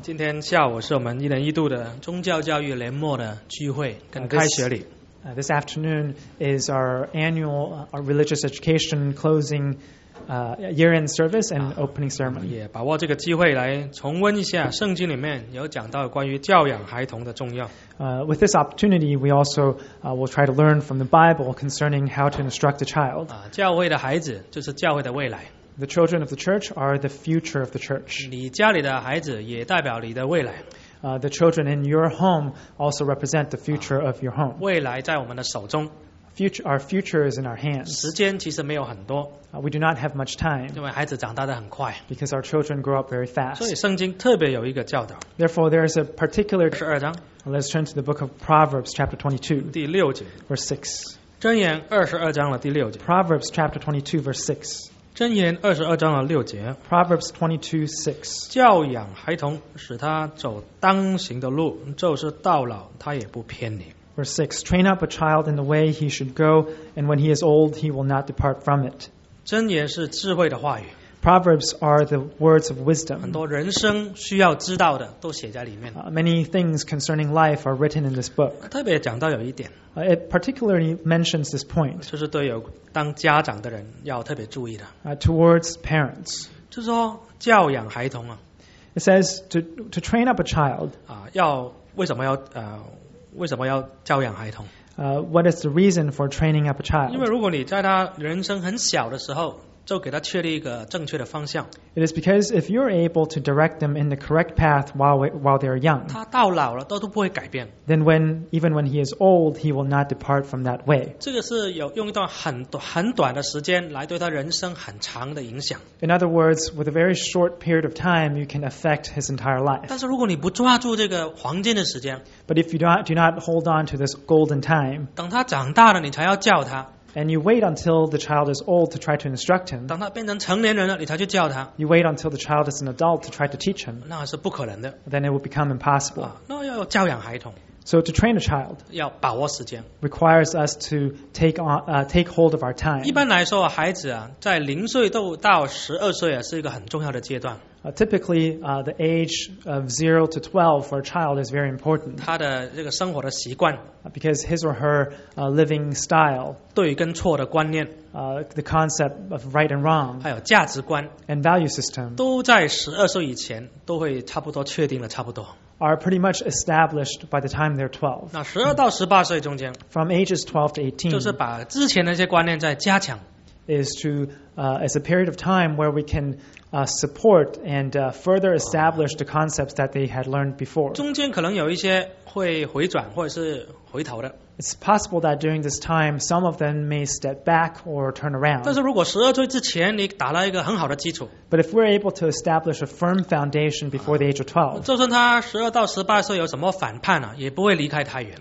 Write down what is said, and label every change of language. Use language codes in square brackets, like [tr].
[zh] 今天下午是我们一年一度的宗教教育年末的聚会跟开学礼。 [en] This afternoon is our annual religious education closing year-end service and opening ceremony。 [zh] 也把握这个机会来重温一下圣经里面有讲到关于教养孩童的重要。 [en] With this opportunity, we also will try to learn from the Bible concerning how to instruct a child。 [zh] 教会的孩子就是教会的未来。 [en] The children of the church are the future of the church。 [zh] 你家里的孩子也代表你的未来。 [en] The children in your home also represent the future of your home。 [zh] 未来在我们的手中。 [en] Our future is in our hands。 [zh] 时间其实没有很多。 [en] We do not have much time。 [zh] 因为孩子长大得很快。 [en] Because our children grow up very fast。 [zh] 所以圣经特别有一个教导。 [en] Therefore, there is a particular [zh] 十二章。 [en] Let's turn to the book of Proverbs, chapter 22。 [zh] 第六节。 [en] Verse 6。 [zh] 箴言二十二章的第六节。 [en] Proverbs chapter 22, verse 6。 [zh] 箴言二十二章的六节 [en] ，Proverbs 22:6， [zh] 教养孩童，使他走当行的路，就是到老他也不偏离。 [en] Verse 6， train up a child in the way he should go, and when he is old, he will not depart from it。 [zh] 箴言是智慧的话语 [en] ，Proverbs are the words of wisdom。 [zh] 很多人生需要知道的都写在里面。 [en] Many things concerning life are written in this book。 [zh] 特别讲到有一点。 [en] It particularly mentions this point. [zh] 就是对有当家长的人要特别注意的。 [en] Towards parents. [zh] 就是说教养孩童啊。 [en] It says to train up a child. [zh] 要为什么要为什么要教养孩童？ [en] What is the reason for training up a child? [zh] 因为如果你在他人生很小的时候就给他确立一个正确的方向。 [en] It is because if you're able to direct them in the correct path while they are young, [zh] 他到老了都不会改变。 [en] Then even when he is old, he will not depart from that way. [zh] 这个是有用一段很短的时间来对他人生很长的影响。 [en] In other words, with a very short period of time, you can affect his entire life. [zh] 但是如果你不抓住这个黄金的时间 [en] ，But if you do not hold on to this golden time, [zh] 等他长大了，你才要叫他。 [en] And you wait until the child is old to try to instruct him. [zh] 当他变成成年人了，你才去教他。 [en] You wait until the child is an adult to try to teach him. [zh] 那是不可能的。 [en] Then it will become impossible. [zh] 那要教养孩童。 [en] So to train a child [zh] 要把握时间 [en] requires us to take hold of our time. [zh] 一般来说，孩子啊，在零岁到十二岁啊，是一个很重要的阶段。 [en] Typically, the age of 0 to 12 for a child is very important. [zh] 他的这个生活的习惯 [en] because his or her living style, [zh] 对跟错的观念 [en] the concept of right and wrong, [zh] 还有价值观 [en] and value system, [zh] 都在12岁以前都会差不多确定了差不多 [en] are pretty much established by the time they're 12. [zh] 那12到18岁中间 [en] from ages 12 to 18, [zh] 就是把之前那些观念再加强 [en] is a period of time where we cansupport and further establish the concepts that they had learned before. [zh] 中间可能有一些会回转或者是回头的。 [en] It's possible that during this time, some of them may step back or turn around. [zh] 但是如果十二岁之前你打了一个很好的基础 [en] ，But if we're able to establish a firm foundation before the age of 12, [zh] 就算他十二到十八岁有什么反叛了，也不会离开太远。